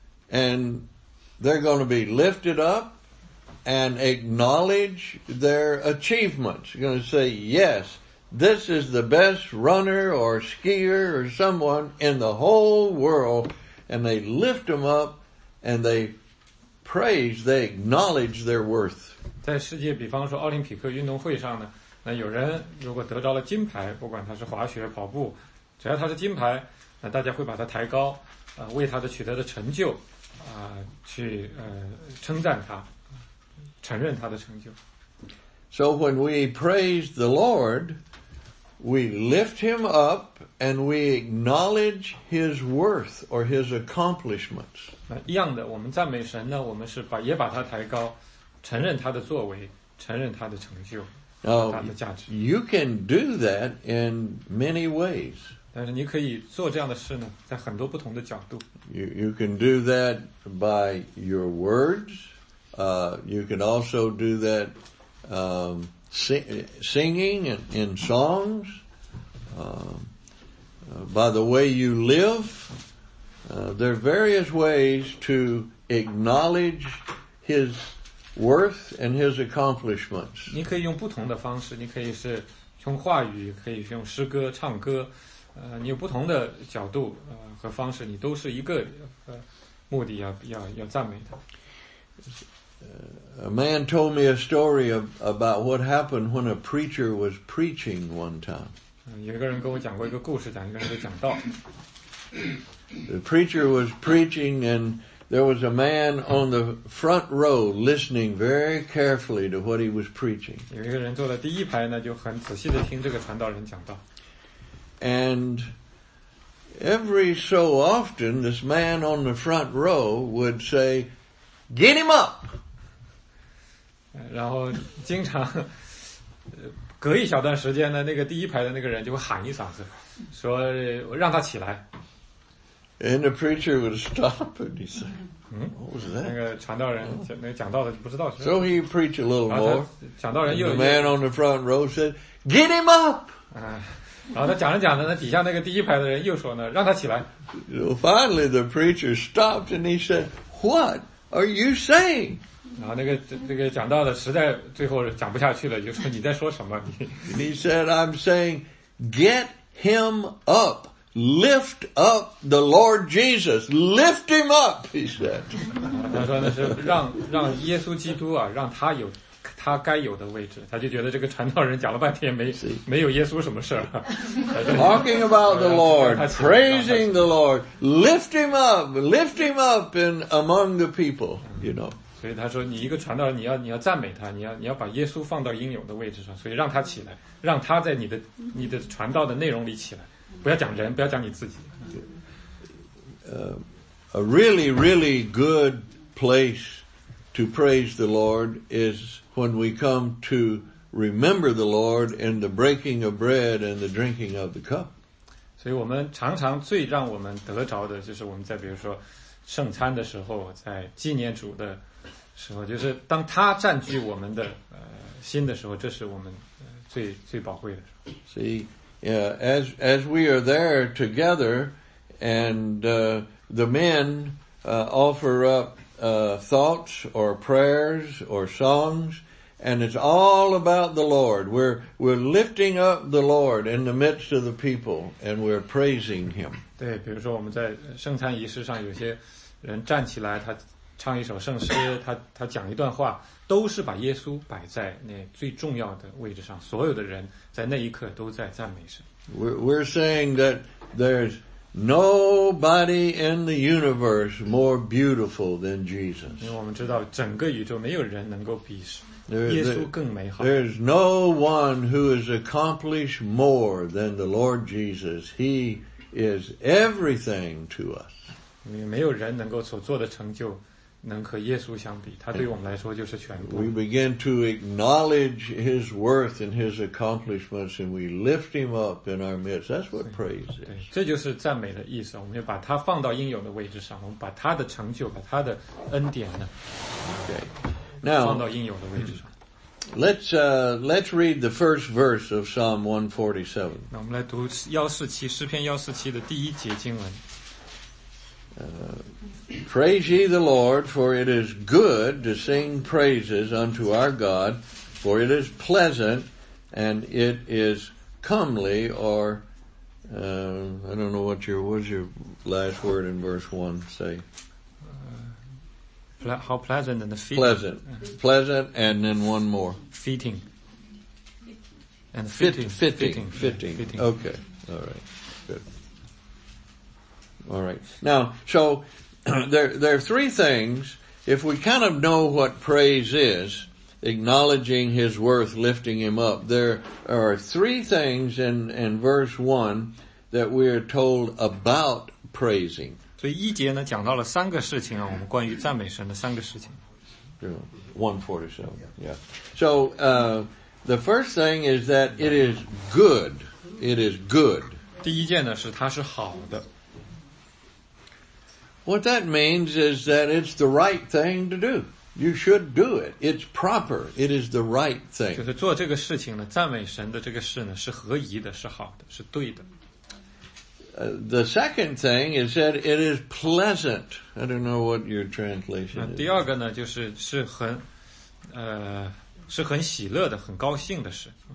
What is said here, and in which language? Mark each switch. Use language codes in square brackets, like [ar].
[en] And they're going to be lifted up and acknowledge their achievements. You're going to say, yes, this is the best runner or skier or someone in the whole world. And they lift them up and they praise, they acknowledge their worth. [zh] 在世界比方说奥林匹克运动会上呢，那有人如果得到了金牌，不管他是滑雪跑步，只要他是金牌，那大家会把他抬高，为他的取得的成就去称赞他，承认他的成就。 [en] So when we praise the Lord, we lift him up and we acknowledge his worth or his accomplishments. [zh] 那一样的，我们赞美神呢，我们是把也把他抬高，承认他的作为，承认他的成就，他的价值。 [en] You can do that in many ways. [zh] 但是你可以做这样的事呢，在很多不同的角度。 [en] You can do that by your words. You can also do that singing in songs. By the way you live. There are various ways to acknowledge his. Worth and his accomplishments. [zh] 你可以用不同的方式，你可以是用话语，可以用诗歌、唱歌，你有不同的角度和方式，你都是一个目的，要赞美他。 [en] A man told me a story about what happened when a preacher was preaching one time. [zh] 有个人跟我讲过一个故事，讲一个人的讲道。 [en] The preacher was preaching, and there was a man on the front row listening very carefully to what he was preaching. [zh] 有一个人坐在第一排呢，就很仔细地听这个传道人讲道。 [en] And every so often, this man on the front row would say, "Get him up!" [zh] 然后经常隔一小段时间呢，那个第一排的那个人就会喊一嗓子，说让他起来。 [en] And the preacher would stop and he said, "What was that?" [zh] 那个传道人那个讲道的不知道是。 [en] So he preached a little more. [zh] 讲道人又。 [en] The man on the front row said, "Get him up!" [zh] 然后他讲着讲着呢，底下那个第一排的人又说呢，让他起来。 [en] So finally, the preacher stopped and he said, "What are you saying?" [zh] 然后那个讲道的实在最后讲不下去了，就说你在说什么？ [en] And he said, "I'm saying, get him up." Lift up the Lord Jesus. Lift him up, he said. [zh] 他说那是让耶稣基督啊，让他有他该有的位置。他就觉得这个传道人讲了半天没有耶稣什么事儿。 [en] Talking about the Lord, praising the Lord, lift him up in among the people, you know. [zh] 所以他说，你一个传道人，你要赞美他，你要把耶稣放到应有的位置上，所以让他起来，让他在你的传道的内容里起来。不要讲人，不要讲你自己。 [en] A really, really good place to praise the Lord is when we come to remember the Lord in the breaking of bread and the drinking of the cup. [zh] 所以我们常常最让我们得着的就是我们在比如说圣餐的时候，在纪念主的时候，就是当他占据我们的心的时候，这是我们最宝贵的。 [en] As we are there together, and the men offer up thoughts or prayers or songs, and it's all about the Lord. We're lifting up the Lord in the midst of the people, and we're praising Him. [zh] 对，比如说我们在圣餐仪式上，有些人站起来，他唱一首圣诗，他讲一段话，都是把耶稣摆在那最重要的位置上。所有的人在那一刻都在赞美神。 [en] We're saying that there's nobody in the universe more beautiful than Jesus. [zh] 因为我们知道整个宇宙没有人能够比耶稣更美好。 [en] There's no one who has accomplished more than the Lord Jesus. He is everything to us. [zh] 没有人能够所做的成就能和耶稣相比，他对我们来说就是全部。 [en] We begin to acknowledge his worth and his accomplishments, and we lift him up in our midst. That's what praise is. [zh] 对，这就是赞美的意思。我们就把他放到应有的位置上，我们把他的成就、把他的恩典呢， [en] okay. Now, [zh] 放到应有的位置上。 [en] Let's read the first verse of Psalm 147. [zh] 那我们来读147诗篇147的第一节经文。 [en] Praise ye the Lord, for it is good to sing praises unto our God, for it is pleasant and it is comely, or I don't know what was your last word in verse 1 say. How pleasant and the fitting. Pleasant. Pleasant and then one more. Fitting. And fitting. Fitting. Okay. All right. Good. All right. Now, so there are three things. If we kind of know what praise is, acknowledging his worth, lifting him up, there are three things in verse 1 that we are told about praising. [zh] 所以一节呢讲到了三个事情啊，我们关于赞美神的三个事情。 [en] 147, yeah. So, the first thing is that it is good. It is good. [zh] 第一件呢是它是好的。 [en] What that means is that it's the right thing to do. You should do it. It's proper. It is the right thing. [zh] 就是做这个事情呢，赞美神的这个事呢，是合宜的，是好的，是对的。 [en] The second thing is that it is pleasant. I don't know what your translation is. [zh] 第二个呢，就是很喜乐的，很高兴的事。